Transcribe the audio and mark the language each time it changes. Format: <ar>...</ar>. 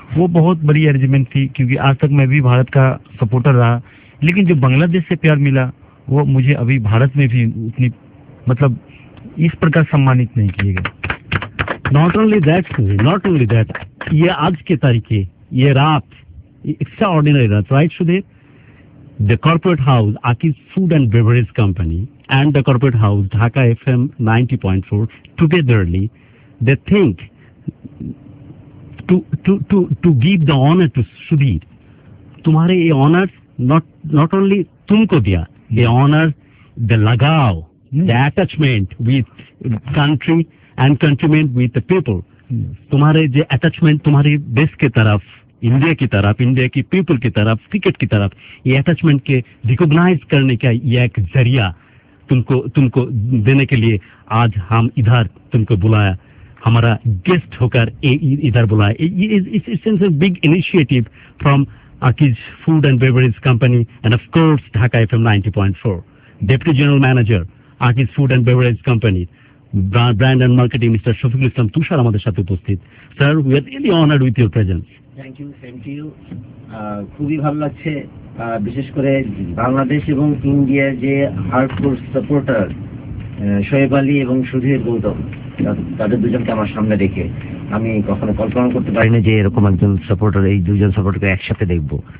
<hi>वो बहुत बड़ी अरेंजमेंट थी, क्योंकि आज तक मैं भी भारत का सपोर्टर रहा, लेकिन जो बांग्लादेश से प्यार मिला वो मुझे अभी भारत में भी उतनी, मतलब इस प्रकार सम्मानित नहीं किए गए।</hi> <en>not only that,</en> <hi>ये आज के तारीखे, ये रात, एक्स्ट्राऑर्डिनरी रात, right Sudhir?</hi> <en>The corporate house, Akis Food and Beverage Company, and the corporate house, Dhaka FM 90.4, togetherly, they think to give the honor to Sudhir.</en> <hi>Tumhare ye</hi> <en>honor not only</en> <hi>tumko diya,</hi> <en>ye honor, the lagao, the attachment with country and countrymen, with the people.</en> <hi>Tumhare je attachment tumhare desh ke taraf, India की तरफ, India की people की तरफ, cricket की तरफ, ये attachment के recognise करने का ये एक जरिया तुमको देने के लिए आज हम इधर तुमको बुलाया, हमारा गेस्ट होकर इधर बुलाया।</hi> <en>It's a big initiative from Akij food and beverage company and of course Dhaka FM 90.4। Deputy general manager Akij food and beverage company, brand and marketing mister Shafiqul Islam Tushar</en> <bn>আমাদের সাথে উপস্থিত।</bn> <en>Sir, we are really honoured with your presence. Thank you, same to you.</en> <bn>খুবই ভালো লাগছে, বিশেষ করে বাংলাদেশ এবং ইন্ডিয়ার যে হার্ডকোর সাপোর্টার শোয়েব আলী এবং সুধীর গৌতম, তাদের দুজনকে আমার সামনে দেখে আমি কখনো কল্পনা করতে পারিনি যে এরকম একজন সাপোর্টার, এই দুজন সাপোর্টারকে একসাথে দেখব।</bn>